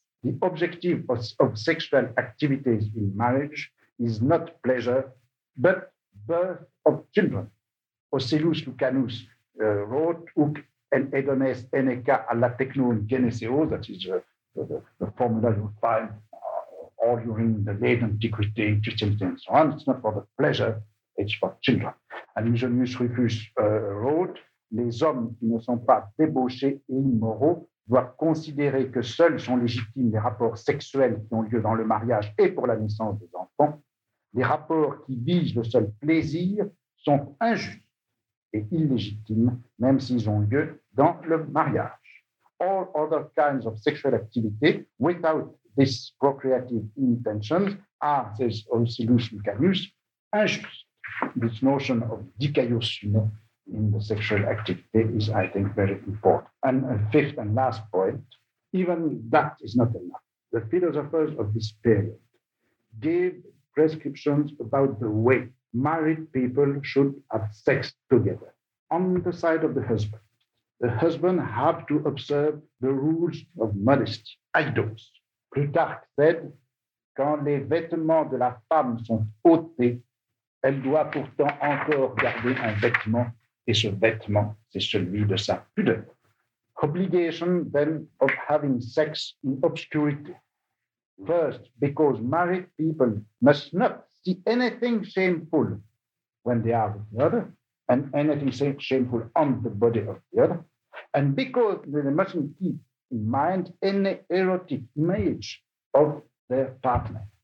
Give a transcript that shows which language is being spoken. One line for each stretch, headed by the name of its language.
English: The objective of sexual activities in marriage is not pleasure, but birth of children. Ocellus Lucanus wrote,
Greek: Huc en hedones eneca alla techno geneseo,
English: that is the formula you find all during the late antiquity, Christianity, and so on. It's not for the pleasure, it's for children. And Eugenius Rufus wrote,
French: les hommes qui ne sont pas débauchés et immoraux doivent considérer que seuls sont légitimes les rapports sexuels qui ont lieu dans le mariage et pour la naissance des enfants. Les rapports qui visent le seul plaisir sont injustes et illégitimes, même s'ils ont lieu dans le mariage.
English: All other kinds of sexual activity without this procreative intention are, says Ursulus Lucanus, injust. This notion of dikaios in the sexual activity is, I think, very important. And a fifth and last point, even that is not enough. The philosophers of this period gave prescriptions about the way married people should have sex together. On the side of the husband have to observe the rules of modesty, eidos. Plutarque said,
French: quand les vêtements de la femme sont ôtés, elle doit pourtant encore garder un vêtement, et ce vêtement, c'est celui de sa pudeur.
English: Obligation then of having sex in obscurity. First, because married people must not see anything shameful when they are with the other, and anything shameful on the body of the other, and because they mustn't keep in mind any erotic image of their partner.